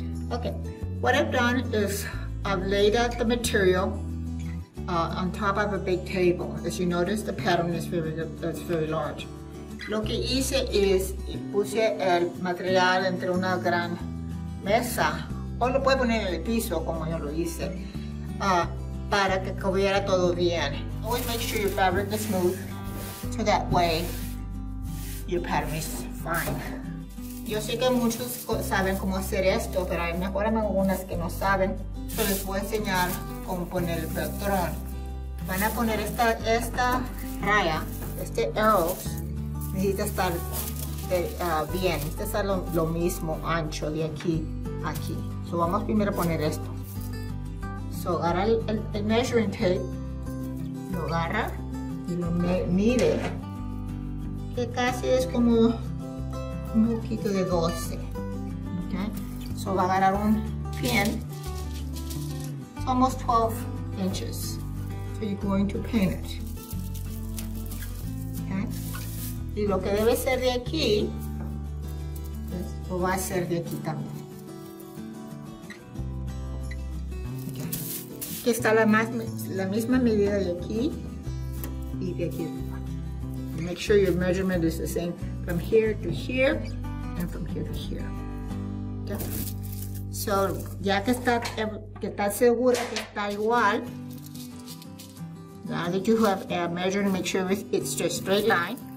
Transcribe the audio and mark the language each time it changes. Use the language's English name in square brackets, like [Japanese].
[English] Okay, what I've done is I've laid out the material on top of a big table. As you notice, the pattern is very large. [Spanish] Lo que hice es puse el material entre una gran mesa, o lo puede poner en el piso como yo lo hice, para que cubriera todo bien. [English] Always make sure your fabric is smooth, so that way your pattern is fine. [Spanish] Yo sé que muchos saben cómo hacer esto, pero hay mejor algunas que no saben. Yo les voy a enseñar cómo poner el patrón. Van a poner esta raya, este arrow. Necesita estar bien. Este está lo mismo ancho de aquí a aquí. So vamos primero a poner esto. So agarra el measuring tape, lo agarra y lo mide. Que casi es como un poquito de 12. Okay. So va a agarrar un pin. [English] It's almost 12 inches. So you're going to paint it. [Spanish] Y lo que debe ser de aquí, pues, lo va a ser de aquí también. Okay. Aquí está la misma medida de aquí y de aquí. [English] Make sure your measurement is the same from here to here and from here to here. Okay. So, [Spanish] ya que está segura que está igual, [English] now that you have a measuring, make sure it's just straight line.